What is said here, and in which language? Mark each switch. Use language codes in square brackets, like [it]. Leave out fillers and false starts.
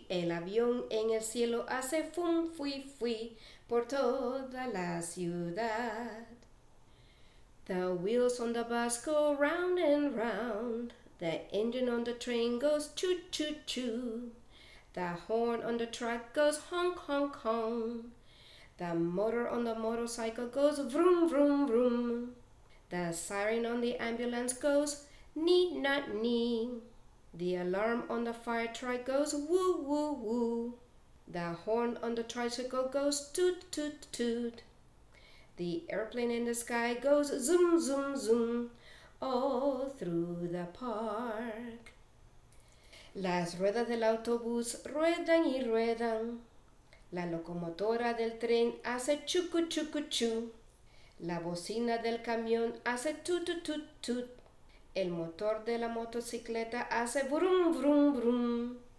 [es] El avión en el cielo hace fum, fui, fui por toda la ciudad. [en] The wheels on the bus go round and round. The engine on the train goes choo-choo-choo. The horn on the truck goes honk-honk-honk. The motor on the motorcycle goes vroom-vroom-vroom. The siren on the ambulance goes nee-na-nee. The alarm on the fire truck goes woo-woo-woo. The horn on the tricycle goes toot-toot-toot. The airplane in the sky goes zoom, zoom, zoom all through the park. [es] Las ruedas del autobús ruedan y ruedan. La locomotora del tren hace chucu, chucu, chu. La bocina del camión hace tut, tut, tut, El motor de la motocicleta hace brum brum brum.